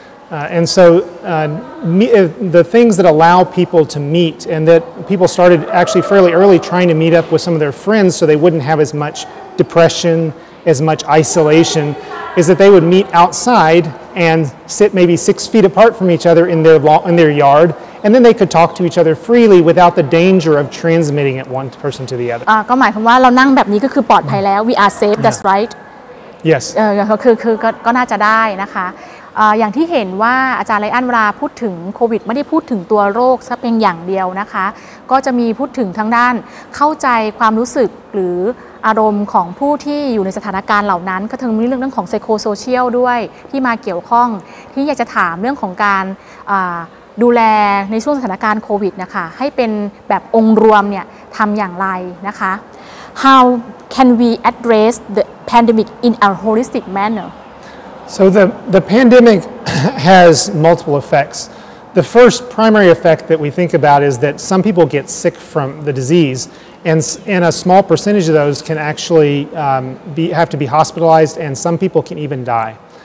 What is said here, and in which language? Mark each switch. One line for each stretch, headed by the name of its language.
English: The things that allow people to meet, and that people started actually fairly early trying to meet up with some of their friends so they wouldn't have as much depression, as much isolation, is that they would meet outside and sit maybe 6 feet apart from each other in their yard, and then they could talk to each other freely without the danger of transmitting it one person to the other.
Thai: ก็หมายความว่าเรานั่งแบบนี้ก็คือปลอดภัยแล้ว
English: We are safe, that's right. Yes.
Thai: ก็น่าจะได้นะคะอย่างที่เห็นว่าอาจารย์ไลอันเวลาพูดถึงโควิดไม่ได้พูดถึงตัวโรคซะเพียงอย่างเดียวนะคะก็จะมีพูดถึงทางด้านเข้าใจความรู้สึกหรือ อารมณ์ของผู้ที่อยู่ในสถานการณ์เหล่านั้นก็ถึงมีเรื่องของไซโคโซเชียลด้วยที่มาเกี่ยวข้องที่อยากจะถามเรื่องของการดูแลในช่วงสถานการณ์โควิดนะคะให้เป็นแบบองค์รวมเนี่ยทำอย่างไรนะคะ
English: How can we address the pandemic in a holistic manner So the pandemic has multiple effects. The first primary effect that we think about is that some people get sick from the disease, and a small percentage of those can actually have to be hospitalized, and some people can even die.